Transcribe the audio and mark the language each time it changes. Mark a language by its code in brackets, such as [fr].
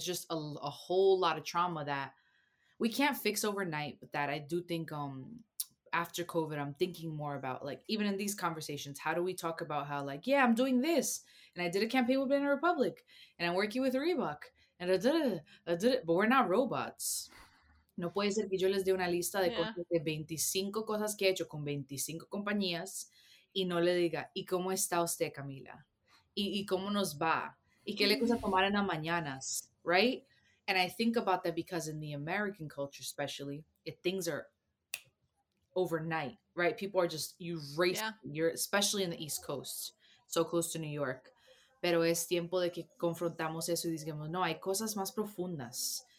[en] It's just a whole lot of trauma that we can't fix overnight. But that I do think after COVID, I'm thinking more about, like, even in these conversations, how do we talk about how, like, yeah, I'm doing this, and I did a campaign with Banana Republic, and I'm working with Reebok, and but we're not robots. [es] No puede ser que yo les dé una lista de cosas de 25 cosas que he hecho con 25 compañías y no le diga, ¿y cómo está usted, Camila? ¿Y cómo nos va? ¿Y qué le gusta tomar en las mañanas? [en] Right? And I think about that because in the American culture especially, things are overnight, right? People are just, you race, you're especially in the East Coast, so close to New York. [es] Pero es tiempo de que confrontamos eso y digamos, no, hay cosas más profundas.